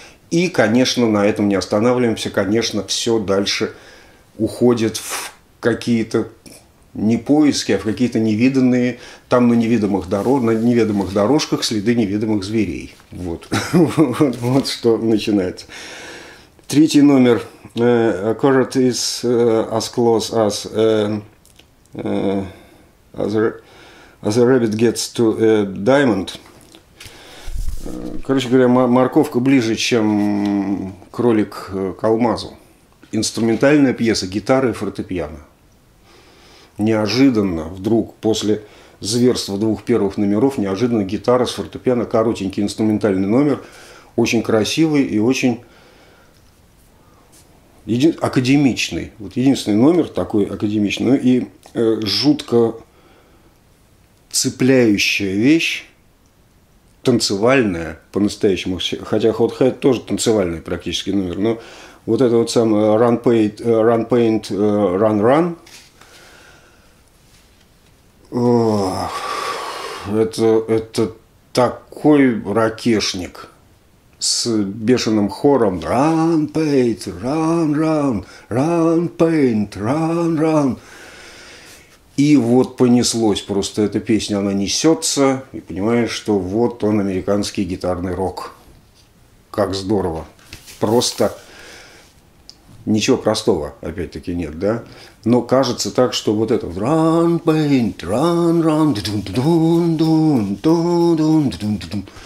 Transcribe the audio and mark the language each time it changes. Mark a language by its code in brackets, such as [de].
[ru] И, конечно, на этом не останавливаемся. Конечно, все дальше уходит в какие-то не поиски, а в какие-то невиданные, там на неведомых дорожках следы неведомых зверей. Вот. Вот что начинается. Третий номер. [en] A chord is as close as a rabbit gets to a diamond. [ru] Короче говоря, морковка ближе, чем кролик к алмазу. Инструментальная пьеса, гитара и фортепиано. Неожиданно, вдруг, после зверства двух первых номеров, неожиданно гитара с фортепиано, коротенький инструментальный номер, очень красивый и очень академичный. Вот единственный номер такой академичный. Ну и жутко цепляющая вещь, танцевальная по-настоящему. Хотя Hot Head тоже танцевальный практически номер. Но вот это вот самое Run Paint, Run Paint, Run Run. Это такой ракешник с бешеным хором. [en] Run, paint, run, run, run, paint, run, run. [ru] И вот понеслось просто эта песня, она несется, и понимаешь, что вот он, американский гитарный рок. Как здорово. Просто ничего простого, опять-таки, нет, да? Но кажется так, что вот это run, paint, run, run, dun-dun-dun-dun-dun-dun-dun-dun-dun-dun.